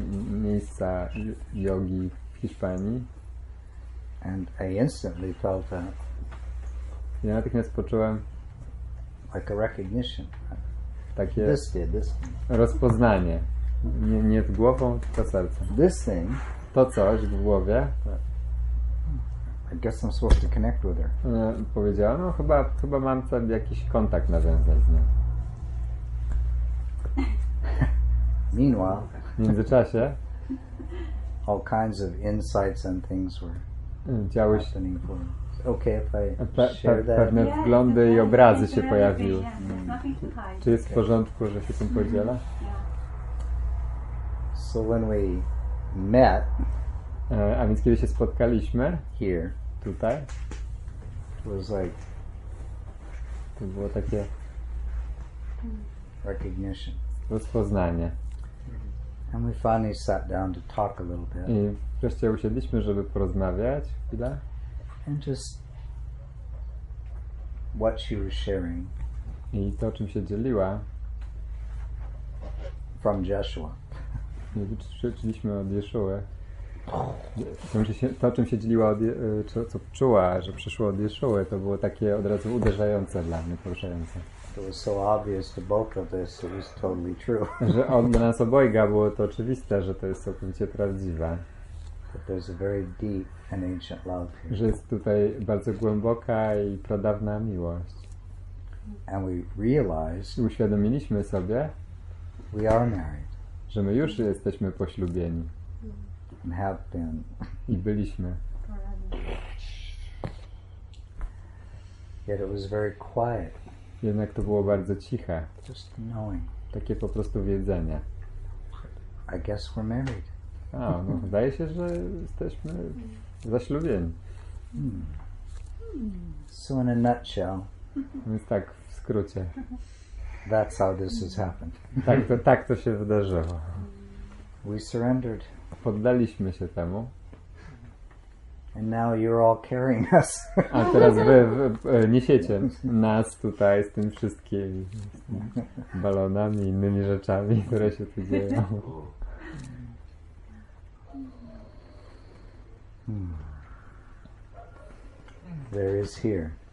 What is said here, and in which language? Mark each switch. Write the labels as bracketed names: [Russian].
[Polish] Miejsca jogi w Hiszpanii. [English] And I instantly felt that. [Polish] Ja natychmiast poczułem. [English] Like a recognition. [Polish] Takie [English] this. [Polish] Rozpoznanie. Nie w głową, tylko sercem. [English] This thing. [Polish] To coś w głowie. [English] I guess I'm supposed to connect with her. [Polish] Powiedziała, no chyba mam tam jakiś kontakt nawiązać z nią. [English] Meanwhile. [Polish] W międzyczasie. [English] All kinds of insights and things were happening for me. Okay, if I share that. [Polish] Pewne wglądy i obrazy się pojawiły. Czy jest w porządku, że się tym podzielę? [English] So when we met. [Polish] A więc kiedy się spotkaliśmy. [English] Here. [Polish] Tutaj. [English] It was like. [Polish] To było takie. [English] Recognition. [Polish] Rozpoznanie. [English] And we finally sat down to talk a little bit. [Polish] I wreszcie usiedliśmy, żeby porozmawiać chwilę. [English] And just what she was sharing. [Polish] I to, czym się dzieliła. [English] From Jeshua. [Polish] I przeczyliśmy od Jeszuły. To, czym się dzieliła, co czuła, że przyszło od Jeszuły, to było takie od razu uderzające dla mnie, poruszające. [English] It was so obvious to both of us, it was totally true. [Polish] Że od nas obojga było to oczywiste, że to jest całkowicie prawdziwe. [English] That there's a very deep and ancient love here. [Polish] Że jest tutaj bardzo głęboka i pradawna miłość. [English] And we realized, [Polish] uświadomiliśmy sobie, [English] we are married. [Polish] Że my już jesteśmy poślubieni. [English] And have been. [Polish] I byliśmy. [English] Yet it was very quiet. [Polish] Jednak to było bardzo ciche. [English] Just knowing. [Polish] Takie po prostu wiedzenie. [English] I guess we're married. [Polish] No, wydaje się, że jesteśmy zaślubieni. [English] So in a nutshell. [Polish] Więc tak w skrócie. [English] That's how this has happened. [Polish] Tak to się wydarzyło. [English] We surrendered. [Polish] Poddaliśmy się temu. [English] And now you're all carrying us. [Polish] A teraz wy niesiecie nas tutaj z tym wszystkim balonami i innymi rzeczami, które się tu dzieją. [English] There is here.